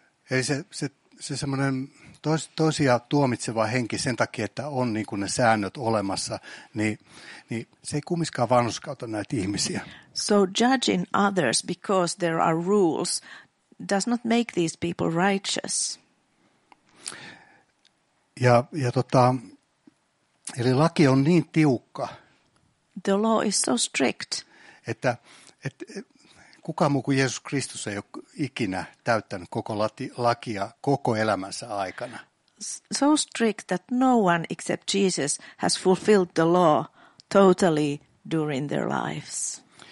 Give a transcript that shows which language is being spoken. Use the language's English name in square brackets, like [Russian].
[Finnish] Eli se semmoinen tosiaan tuomitseva henki sen takia, että on niin kuin ne säännöt olemassa, niin se ei kumminkaan vanhurskauta näitä ihmisiä. [English] So judging others because there are rules does not make these people righteous. [Finnish] Ja eli laki on niin tiukka. [English] the law is so strict. [Finnish] Että kukaan muu kuin Jeesus Kristus ei ole ikinä täyttänyt koko lakia koko elämänsä aikana. [English] So strict that no one except Jesus has fulfilled the law totally during their lives.